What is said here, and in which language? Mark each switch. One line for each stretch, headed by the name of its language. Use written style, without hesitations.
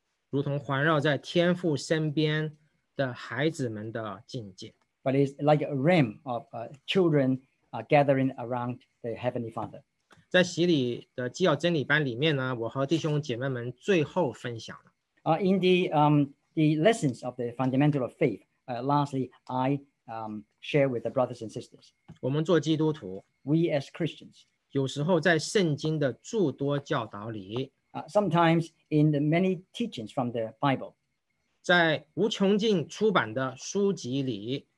Chinese: 如同环绕在天父身边的孩子们的境界,
English: but it's like a realm of children gathering around the Heavenly Father.
Chinese: 在洗礼的纪要真理班里面呢，我和弟兄姐妹们最后分享了。
English: In the lessons of the fundamental of faith, lastly, I share with the brothers and sisters.
Chinese: 我们做基督徒,
English: we as Christians,
Chinese: 有时候在圣经的诸多教导里,
English: sometimes in the many teachings from the Bible,
Chinese: 在无穷尽出版的书籍里,